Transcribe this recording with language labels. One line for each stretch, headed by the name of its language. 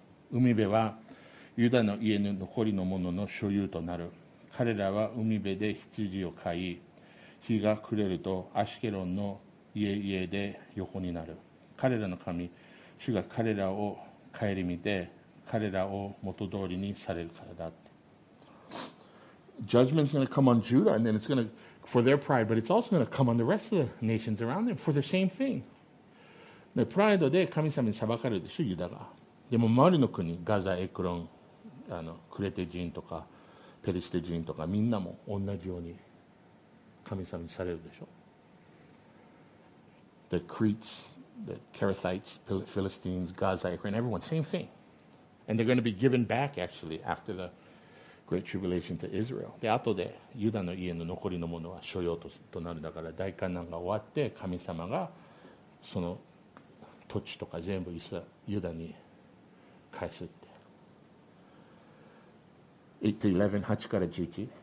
Japanese: 海辺はユダの家の残りの者の所有となる。彼らは海辺で羊を飼い、日が暮れるとアシケロンの家々で横になる。彼らの神主が彼らを顧みて、彼らを元通りにされるからだ。
English: Judgment is going to come on Judah, and then it's going to for their pride, but it's also going to come on the rest of the nations around them for the same thing.
Japanese: でプライドで神様に裁かれるでしょ、ユダが。でも周りの国、ガザ、エクロン、クレテ人とかペリシテ人とか、みんなも同じように神様にされるでしょ。
English: The Cretes, the Carathites, Philistines, Gaza, Ukraine, everyone, same thing. And they're going to be given back, actually, after the Great Tribulation to Israel.
Japanese: で、後でユダの家の残りのものは所有となるだから、大患難が終わって、神様がその土地とか全部ユダに返すって。 8-11、8-11。